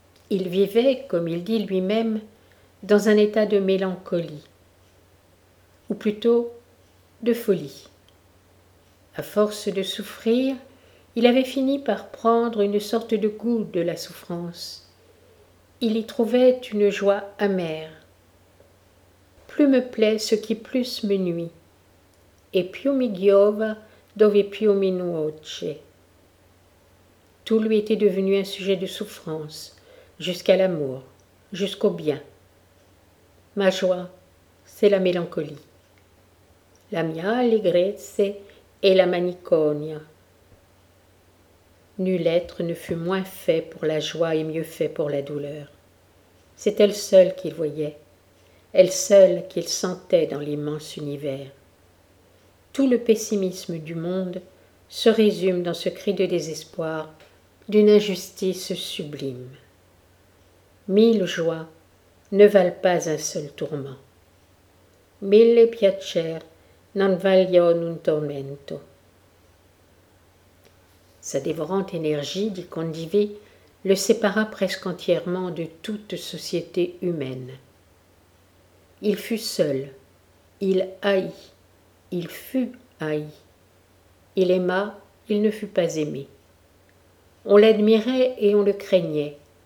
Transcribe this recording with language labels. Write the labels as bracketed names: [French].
[French] Il vivait, comme il dit lui-même, dans un état de mélancolie, ou plutôt de folie. À force de souffrir, il avait fini par prendre une sorte de goût de la souffrance. Il y trouvait une joie amère. Plus me plaît ce qui plus me nuit. [Italian] Et più mi giova dove più mi nuoce. [French] Tout lui était devenu un sujet de souffrance, jusqu'à l'amour, jusqu'au bien. Ma joie, c'est la mélancolie. [Italian] La mia allegrezza è la manicomia. [French] Nul être ne fut moins fait pour la joie et mieux fait pour la douleur. C'est elle seule qu'il voyait, elle seule qu'il sentait dans l'immense univers. Tout le pessimisme du monde se résume dans ce cri de désespoir d'une injustice sublime. 1000 joies ne valent pas un seul tourment. [Italian] 1000 piaceri non valgono un tormento. [French] Sa dévorante énergie, dit Condivi, le sépara presque entièrement de toute société humaine. Il fut seul, il haït. Il fut haï. Il aima, il ne fut pas aimé. On l'admirait et on le craignait.